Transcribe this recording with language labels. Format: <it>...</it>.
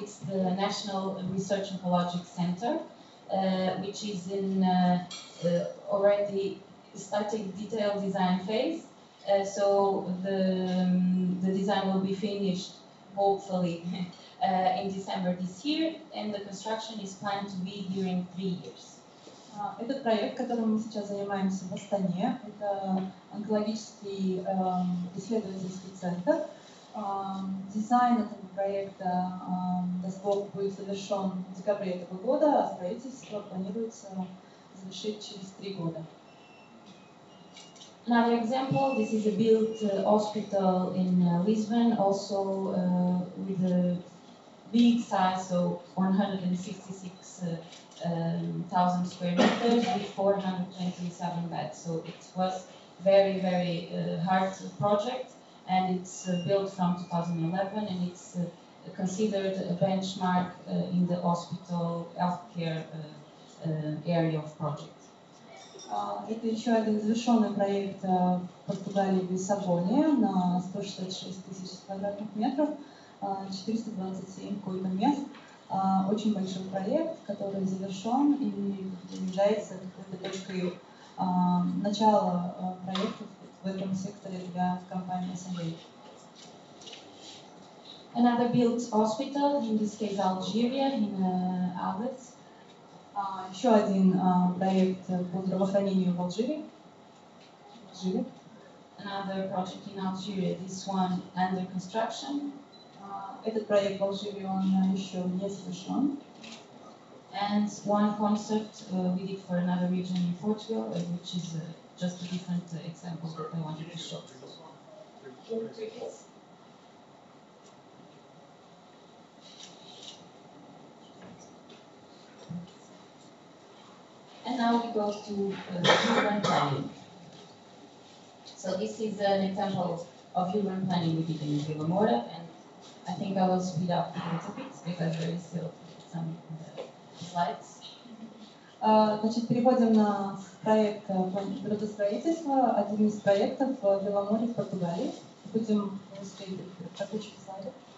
<en>It's the National Research Oncologic Center, which is in already starting detailed design phase. So the design will be finished hopefully in December this year, and the construction is planned to be during 3 years.</en> <ru>Этот проект, которым мы сейчас занимаемся в Астане, это онкологический исследовательский центр. Дизайн этого проекта, даст Бог, будет завершен в декабре этого года, а строительство планируется завершить через 3 года.</ru> <en>Another example, this is a built hospital in Lisbon, also with a big size, so 166,000 square meters with 427 beds. So it was very, very hard project, and it's built from 2011, and it's considered a benchmark in the hospital healthcare area of project.</en> <ru>Это еще один завершенный проект в Португалии в Лиссабоне на 166 тысяч квадратных метров, 427 койко мест. Очень большой проект, который завершен и является какой-то точкой начала проектов в этом секторе для компании Sanway.</ru> <en>Another built hospital, in this case Algeria, in Albert.</en> <ru>Еще один проект по здравоохранению в Алжире.</ru> <en>Another project in Algeria, this one under construction.</en> <ru>Этот проект в Алжире, он еще не совершен.</ru> <en>And one concept we did for another region in Portugal, which is just a different example that I wanted to show. And now we go to human planning. So this is an example of human planning we did in Vila Moura, and I think I will speed up a little bit because there is still some slides.</en> <ru>Значит, переходим на проект градостроительства, один из проектов в Вила Моура в Португалии. Будем смотреть какие слайды.</ru>